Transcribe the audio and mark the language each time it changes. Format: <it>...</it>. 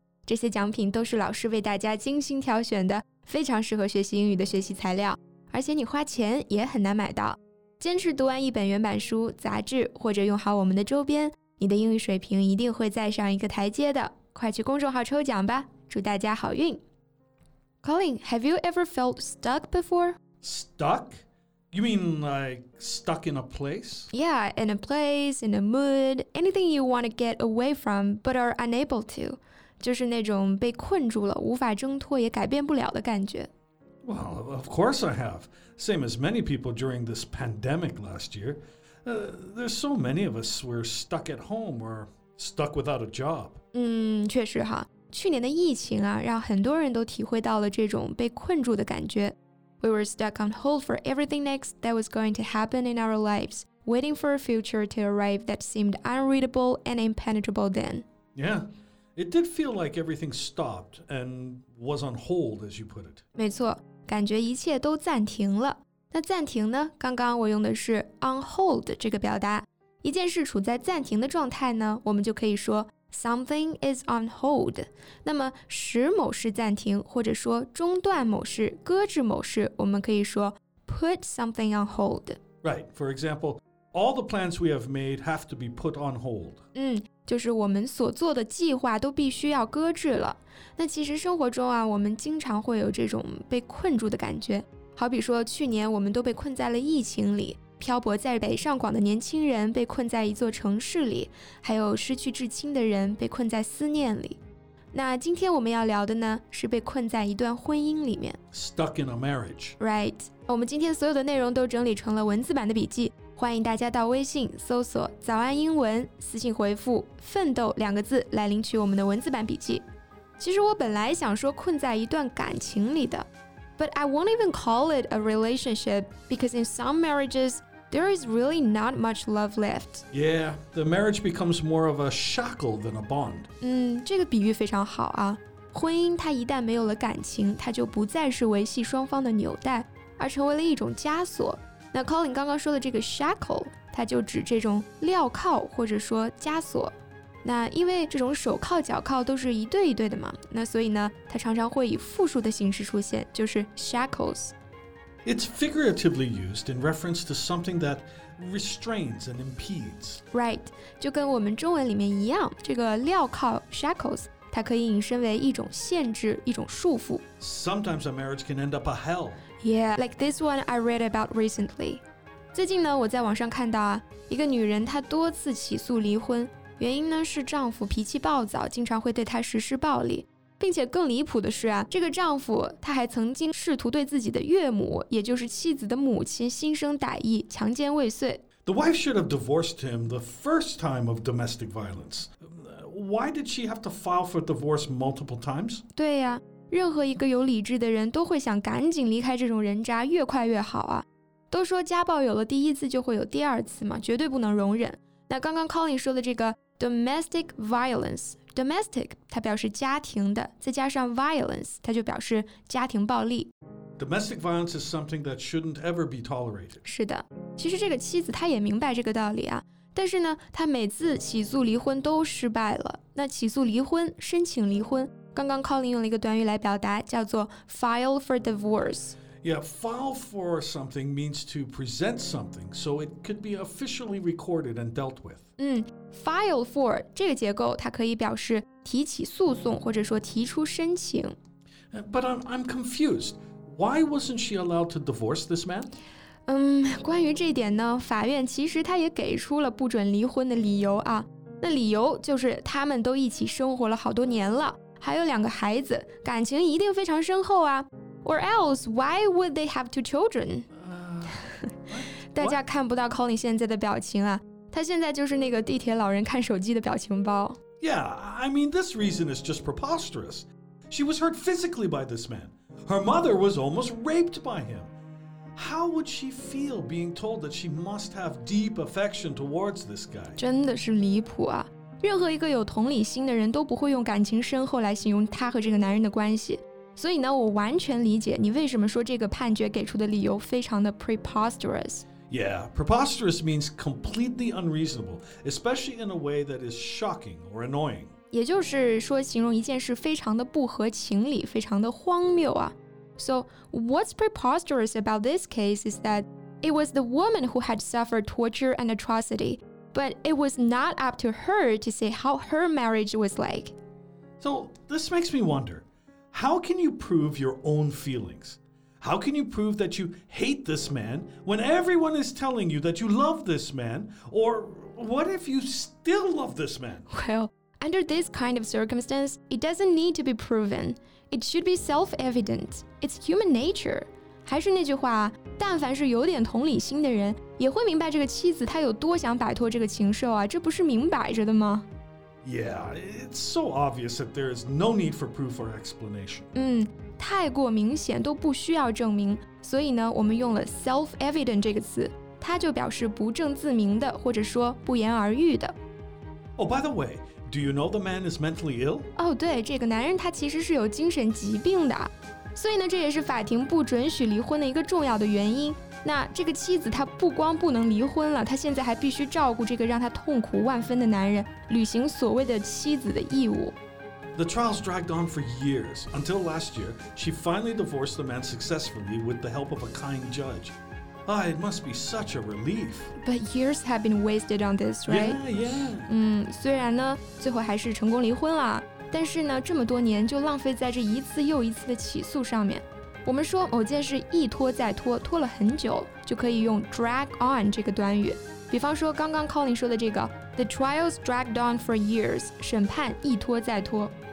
<zh>这些奖品都是老师为大家精心挑选的，非常适合学习英语的学习材料，而且你花钱也很难买到。坚持读完一本原版书、杂志，或者用好我们的周边，你的英语水平一定会再上一个台阶的。快去公众号抽奖吧，祝大家好运。</zh> <en>Colin, have you ever felt stuck before? Stuck? You mean like stuck in a place? Yeah, in a place, in a mood, anything you want to get away from but are unable to.</en> <zh>就是那种被困住了，无法挣脱也改变不了的感觉。</zh> <en>Well, of course I have. Same as many people during this pandemic last year. There's so many of us were stuck at home or stuck without a job.</en> <zh>确实哈，去年的疫情啊，让很多人都体会到了这种被困住的感觉。</zh> <en>We were stuck on hold for everything next that was going to happen in our lives, waiting for a future to arrive that seemed unreadable and impenetrable then. Yeah, it did feel like everything stopped and was on hold, as you put it.</en> <zh>没错，感觉一切都暂停了。那暂停呢？刚刚我用的是 on hold 这个表达。一件事处在暂停的状态呢，我们就可以说</zh> <en>something is on hold.</en> <zh>那么使某事暂停，或者说中断某事、搁置某事，我们可以说</zh> <en>put something on hold. Right. For example, all the plans we have made have to be put on hold.</en> <zh>就是我们所做的计划都必须要搁置了。那其实生活中啊，我们经常会有这种被困住的感觉。好比说，去年我们都被困在了疫情里。漂泊在北上广的年轻人被困在一座城市里，还有失去至亲的人被困在思念里。那今天我们要聊的呢，是被困在一段婚姻里面。</zh> <en>Stuck in a marriage. Right.</en> <zh>我们今天所有的内容都整理成了文字版的笔记，欢迎大家到微信搜索“早安英文”，私信回复“奋斗”两个字来领取我们的文字版笔记。其实我本来想说困在一段感情里的。</zh> <en>But I won't even call it a relationship because in some marriages, there is really not much love left. Yeah, the marriage becomes more of a shackle than a bond.</en> <zh>这个比喻非常好啊。婚姻它一旦没有了感情，它就不再是维系双方的纽带，而成为了一种枷锁。那 Colin 刚刚说的这个 shackle, 它就指这种镣铐或者说枷锁。那因为这种手铐脚铐都是一对一对的嘛，那所以呢，它常常会以复数的形式出现，就是 shackles.</zh> <en>It's figuratively used in reference to something that restrains and impedes.</en> <zh>Right, 就跟我们中文里面一样，这个镣铐 shackles, 它可以引申为一种限制，一种束缚。</zh> <en>Sometimes a marriage can end up a hell. Yeah, like this one I read about recently.</en> <zh>最近呢，我在网上看到啊，一个女人她多次起诉离婚。原因呢是丈夫脾气暴躁，经常会对她实施暴力，并且更离谱的是啊，这个丈夫他还曾经试图对自己的岳母，也就是妻子的母亲心生歹意，强奸未遂。</zh> <en>The wife should have divorced him the first time of domestic violence. Why did she have to file for divorce multiple times?</en> <zh>对呀，任何一个有理智的人都会想赶紧离开这种人渣，越快越好啊。都说家暴有了第一次就会有第二次嘛，绝对不能容忍。那刚刚 Colin 说的这个 domestic violence, domestic 它表示家庭的，再加上 violence 它就表示家庭暴力。</zh> <en>Domestic violence is something that shouldn't ever be tolerated.</en> <zh>是的，其实这个妻子她也明白这个道理啊，但是呢，她每次起诉离婚都失败了。那起诉离婚，申请离婚，刚刚 Colin 用了一个短语来表达，叫做</zh> <en>file for divorce。 Yeah, file for something means to present something, so it could be officially recorded and dealt with.</en> <zh>File for, 这个结构它可以表示提起诉讼或者说提出申请。</zh> <en>But I'm confused. Why wasn't she allowed to divorce this man?</en> <zh>关于这点呢，法院其实他也给出了不准离婚的理由啊。那理由就是他们都一起生活了好多年了，还有两个孩子，感情一定非常深厚啊。</zh> <en>Or else, why would they have two children?</en> <zh>大家看不到 Colin 现在的表情啊，他现在就是那个地铁老人看手机的表情包。</zh> <en>Yeah, I mean, this reason is just preposterous. She was hurt physically by this man. Her mother was almost raped by him. How would she feel being told that she must have deep affection towards this guy?</en> <zh>真的是离谱啊。任何一个有同理心的人都不会用感情深厚来形容他和这个男人的关系。所以呢，我完全理解你为什么说这个判决给出的理由非常的 preposterous。</zh> <en>Yeah, preposterous means completely unreasonable, especially in a way that is shocking or annoying.</en> <zh>也就是说形容一件事非常的不合情理，非常的荒谬啊。</zh> <en>So, what's preposterous about this case is that it was the woman who had suffered torture and atrocity, but it was not up to her to say how her marriage was like. So, this makes me wonder, how can you prove your own feelings? How can you prove that you hate this man when everyone is telling you that you love this man? Or what if you still love this man? Well, under this kind of circumstance, it doesn't need to be proven. It should be self-evident. It's human nature.</en> <zh>还是那句话，但凡是有点同理心的人，也会明白这个妻子她有多想摆脱这个禽兽啊，这不是明摆着的吗？</zh> <en>Yeah, it's so obvious that there is no need for proof or explanation.</en> <zh>嗯，太过明显都不需要证明，所以呢，我们用了 self-evident 这个词，它就表示不证自明的，或者说不言而喻的。</zh> <en>Oh, by the way,Do you know the man is mentally ill?</en> <zh>哦、oh, 对，这个男人他其实是有精神疾病的。所以呢，这也是法庭不准许离婚的一个重要的原因。那这个妻子她不光不能离婚了，她现在还必须照顾这个让她痛苦万分的男人，履行所谓的妻子的义务。</zh> <en>The trials dragged on for years, until last year, she finally divorced the man successfully with the help of a kind judge. Ah, it must be such a relief. But years have been wasted on this, right? Yeah, yeah.</en> <zh>虽然呢，最后还是成功离婚了，但是呢，这么多年就浪费在这一次又一次的起诉上面。我们说某件事一拖再拖，拖了很久，就可以用 drag on 这个短语。比方说刚刚 Colin 说的这个 ,</zh> <en>the trials dragged on for years,</en> <zh>审判一拖再拖。</zh>